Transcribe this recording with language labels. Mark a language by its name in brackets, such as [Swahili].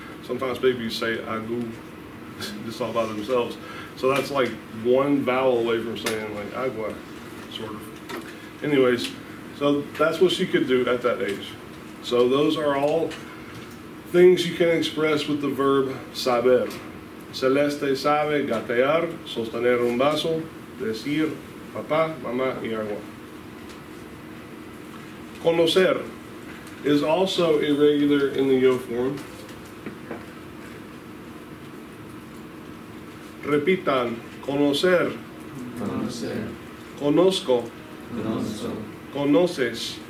[English] Sometimes babies say agu just all by themselves. So that's like one vowel away from saying like agua, sort of. Anyways, so that's what she could do at that age. So those are all things you can express with the verb saber. [Spanish] Celeste sabe gatear, sostener un vaso, decir papá, mamá y agua. [English] Conocer is also irregular in the yo form. [Spanish] Repitan, conocer. Conocer. Conozco. Conozco. Conoces.